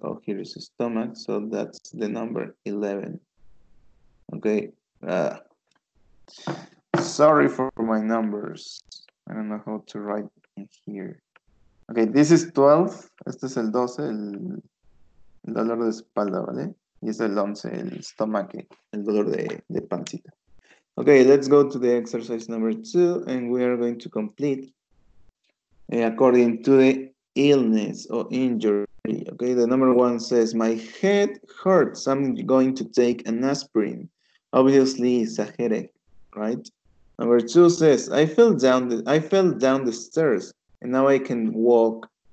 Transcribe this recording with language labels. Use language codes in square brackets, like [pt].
[en] Oh, here is stomach, so that's the number 11. Okay. Sorry for my numbers. I don't know how to write in here. Okay, this is 12. [es] Este es el 12, el dolor de espalda, ¿vale? Y es el 11, el estómago, el dolor de pancita. [en] Okay, let's go to the exercise number 2, and we are going to complete according to the illness or injury. Okay, the number one says, my head hurts. I'm going to take an aspirin. Obviously, it's a headache, right? Number two says, I fell down the stairs and now I can walk.